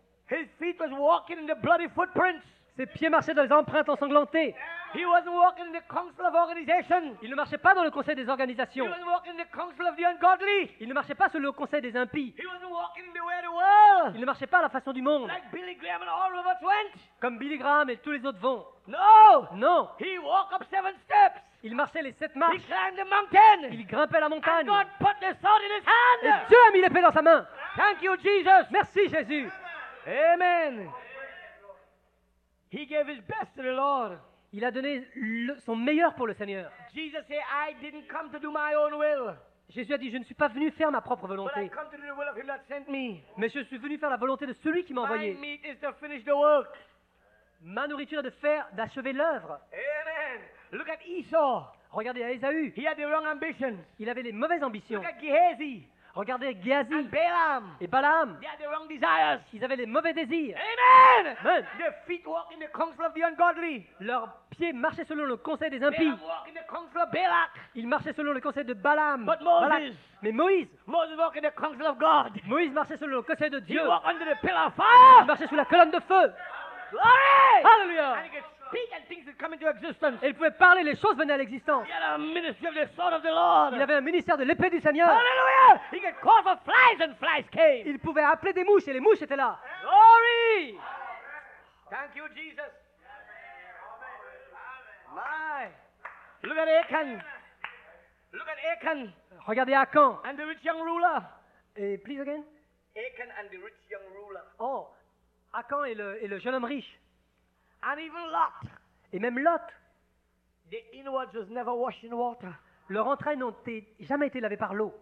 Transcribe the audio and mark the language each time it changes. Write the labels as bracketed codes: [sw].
[en] His feet was walking in the bloody footprints. [fr] Ses pieds marchaient dans les empreintes ensanglantées. [en] He wasn't walking in the council of organization. [fr] Il ne marchait pas dans le conseil des organisations. [en] He wasn't walking in the council of the ungodly. [fr] Il ne marchait pas sous le conseil des impies. [en] He wasn't walking in the way of the world. [fr] Il ne marchait pas à la façon du monde. [en] Like Billy Graham and all of us went. [fr] Comme Billy Graham et tous les autres vont. [en] No. [fr] Non. [en] He walked up seven steps. [fr] Il marchait les sept marches. [en] He climbed the mountain. [fr] Il grimpait la montagne. [en] And God put the sword in his hand. [fr] Et Dieu a mis l'épée dans sa main. [en] Thank you, Jesus. [fr] Merci, Jésus. [en] Amen. Amen. He gave his best to the Lord. [fr] Il a donné son meilleur pour le Seigneur. [en] Jesus said, "I didn't come to do my own will." [fr] Jésus a dit, je ne suis pas venu faire ma propre volonté. [en] But I come to do the will of him that sent me. [fr] Mais je suis venu faire la volonté de celui qui m'a envoyé. [en] My meat is to finish the work. [fr] Ma nourriture est de faire, d'achever l'œuvre. [en] Amen. Look at Esau. [fr] Regardez à Esaü. [en] He had the wrong ambitions. [fr] Il avait les mauvaises ambitions. [en] Look at Gehazi. [fr] Regardez Gehazi [en] and Balaam. [fr] Et Balaam. [en] They had the wrong desires. [fr] Ils avaient les mauvais désirs. [en] Amen. [fr] Amen. [en] The feet walk in the council of the ungodly. [fr] Leurs pieds marchaient selon le conseil des impies. [en] Balaam walk in the council of Balak. [fr] Ils marchaient selon le conseil de Balaam. [en] But Moses. Balak. [fr] Mais Moïse. [en] Moses walk in the council of God. [fr] Moïse marchait selon le conseil de Dieu. [en] He walk under the pillar of fire. [fr] Il marchait sous la colonne de feu. [en] Glory. [fr] Hallelujah. [en] And things that come into existence. [fr] Il pouvait parler, les choses venaient à l'existence. [en] He had a ministry of the sword of the Lord. [fr] Il avait un ministère de l'épée du Seigneur. [en] Hallelujah! He could call for flies and flies came. [fr] Il pouvait appeler des mouches et les mouches étaient là. [en] Glory! Thank you, Jesus. Amen. My, look at Achan. Look at Achan. [fr] Regardez Achan. [en] And the rich young ruler. Et please again. Achan and the rich young ruler. [fr] Oh, Achan et le jeune homme riche. [en] And even Lot. [fr] Et même Lot. [en] The innards was never washed in water. [fr] Leur entrailles n'ont jamais été lavées par l'eau.